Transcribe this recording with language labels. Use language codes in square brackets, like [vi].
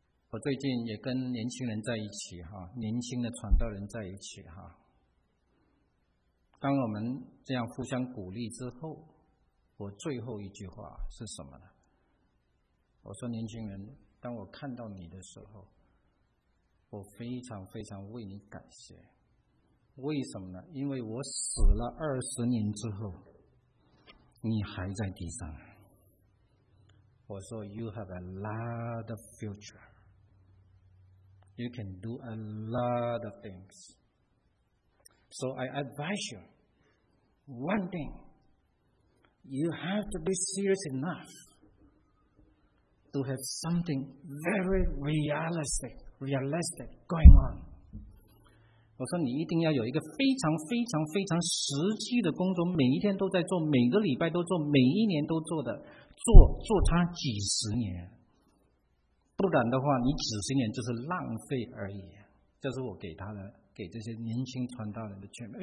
[zh] 我最近也跟年轻人在一起，年轻的传道人在一起，当我们这样互相鼓励之后，我最后一句话是什么呢？我说，年轻人，当我看到你的时候，我非常非常为你感谢。为什么呢？因为我死了20年之后，你还在地上。我说 [en] You have a lot of future. You can do a lot of things. So I advise you, one thing, you have to be serious enough to have something very realistic going on. [zh] 我说你一定要有一个非常非常非常实际的工作，每一天都在做，每个礼拜都做，每一年都做的，做它几十年。不然的话，你几十年就是浪费而已。这是我给这些年轻传道人的劝勉。